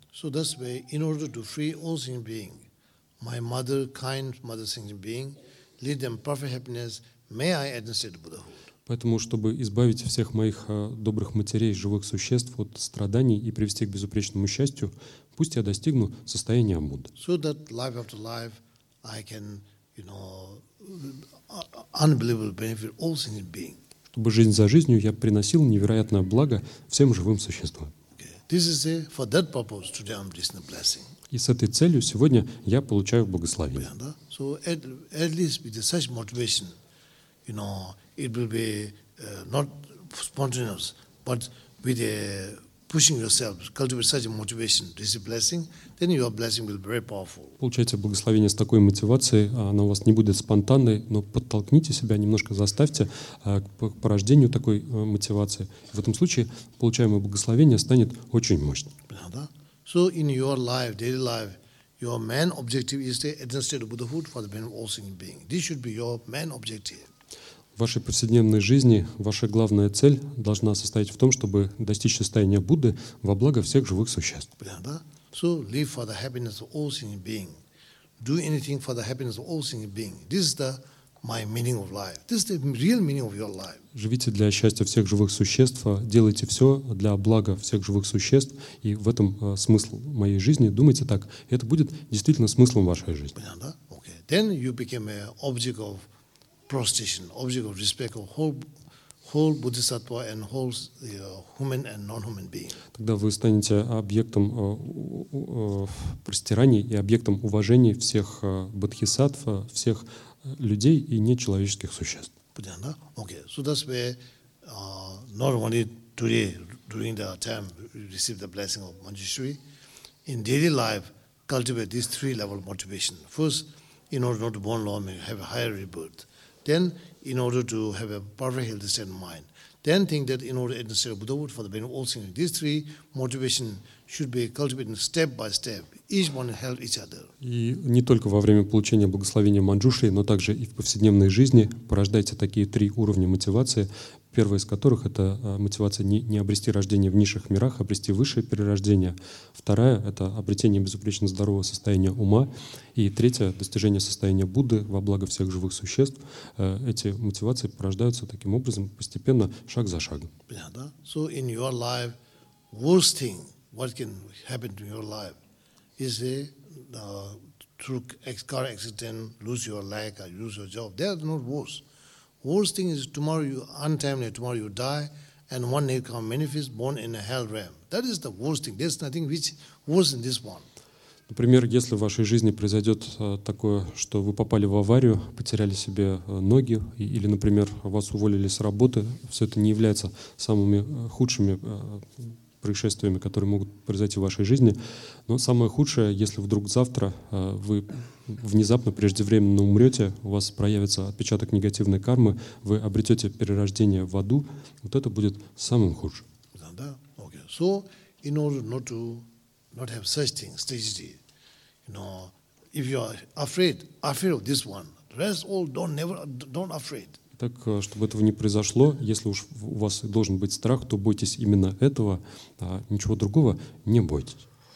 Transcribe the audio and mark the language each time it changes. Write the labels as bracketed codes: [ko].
[en] So that's why, in order to free all sentient being, my mother, kind mother sentient being, lead them perfect happiness, may I attain the Buddhahood. [ru] Поэтому, чтобы избавить всех моих добрых матерей, живых существ от страданий и привести к безупречному счастью, пусть я достигну состояния Амуда. [en] So that life after life, I can, you know, unbelievable benefit all sentient being. [ru] Чтобы жизнь за жизнью я приносил невероятное благо всем живым существам. [en] This is a, for that purpose today I'm receiving a blessing. [ru] И с этой целью сегодня я получаю благословение. [en] So at least with such motivation, you know, it will be not spontaneous, but with pushing yourself, cultivate such a motivation, receive blessing, then your blessing will be very powerful. [ru] Получайте благословение с такой мотивацией, оно у вас не будет спонтанной, но подтолкните себя, немножко заставьте к порождению такой мотивации. В этом случае получаемое благословение станет очень мощным. [en] So in your life, daily life, your main objective is to attain state of Buddhahood for the benefit of all sentient beings. This should be your main objective. [ru] В вашей повседневной жизни ваша главная цель должна состоять в том, чтобы достичь состояния Будды во благо всех живых существ. [en] So live for the happiness of all sentient beings. Do anything for the happiness of all sentient beings. This is the my meaning of life. This is the real meaning of your life. [ru] Живите для счастья всех живых существ, делайте все для блага всех живых существ, и в этом смысл моей жизни. Думайте так, это будет действительно смыслом вашей жизни. [en] Okay. Then you became an object of prostration, object of respect of whole Buddhisattva and whole human and non-human being. [ru] Тогда вы станете объектом простираний и объектом уважения всех бодхисаттв, всех людей и нечеловеческих существ. Понятно? Okay. [en] So that's why not only today during the time receive the blessing of Manjushri, in daily life cultivate these three level motivation. First, in order not to born long and have a higher rebirth. Then, in order to have a perfect healthy state of mind, then think that in order to attain the state of Buddhahood for the benefit of all sentient beings, these three motivation should be cultivated step by step. Each one helps each other. [ru] И не только во время получения благословения Манджушри, но также и в повседневной жизни порождаются такие три уровня мотивации. Первая из которых — это мотивация не обрести рождение в низших мирах, а обрести высшее перерождение. Вторая — это обретение безупречно здорового состояния ума. И третья — достижение состояния Будды во благо всех живых существ. Эти мотивации порождаются таким образом постепенно, шаг за шагом. [en] So in your life, worst thing, what can happen to your life, is through car accident, lose your leg or lose your job. They are not worse. Worst thing is tomorrow you untimely, tomorrow you die, and one day come manifest born in a hell realm. That is the worst thing. There's nothing which worse than this one. [ru] Например, если в вашей жизни произойдет такое, что вы попали в аварию, потеряли себе ноги, или, например, вас уволили с работы, все это не является самыми худшими происшествиями, которые могут произойти в вашей жизни. Но самое худшее, если вдруг завтра вы внезапно, преждевременно умрете, у вас проявится отпечаток негативной кармы, вы обретете перерождение в аду, вот это будет самым худшим. Да? Okay. [en] So, in order not to not have such thing, strategy, you know, if you are afraid of this one, rest all, don't afraid. [ru] Так, чтобы этого не произошло, если уж у вас должен быть страх, то бойтесь именно этого, а ничего другого не бойтесь.